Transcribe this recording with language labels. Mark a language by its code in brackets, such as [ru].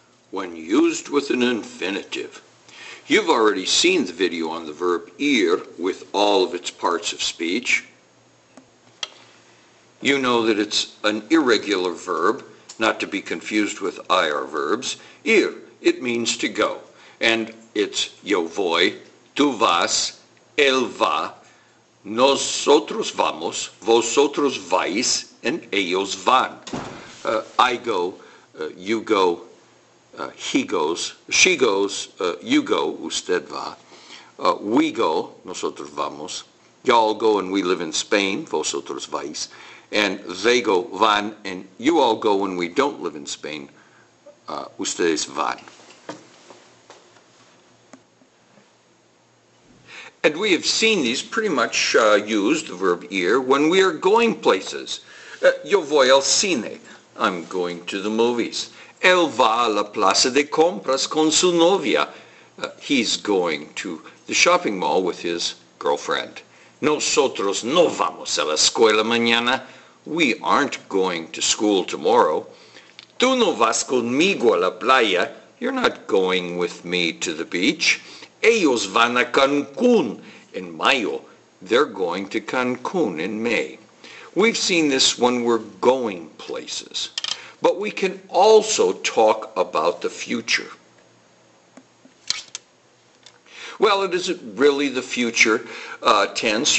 [en] When used with an infinitive. You've already seen the video on the verb ir with all of its parts of speech. You know that it's an irregular verb, not to be confused with ir verbs. Ir, it means to go. And it's [es] yo voy, tú vas, él va, nosotros vamos, vosotros vais, and ellos van. [en] I go, you go, he goes, she goes, you go, [es] usted va. [en] We go, [es] nosotros vamos. [en] Y'all go and we live in Spain, [es] vosotros vais. [en] And they go, van, and you all go when we don't live in Spain, [es] ustedes van. [en] And we have seen these pretty much used, the verb ir, when we are going places. [es] Yo voy al cine. [en] I'm going to the movies. [es] Él va a la plaza de compras con su novia. [en] He's going to the shopping mall with his girlfriend. [es] Nosotros no vamos a la escuela mañana. [en] We aren't going to school tomorrow. [es] Tú no vas conmigo a la playa. [en] You're not going with me to the beach. [es] Ellos van a Cancún en mayo. [en] They're going to Cancún in May. We've seen this when we're going places. But we can also talk about the future. Well, it isn't really the future tense.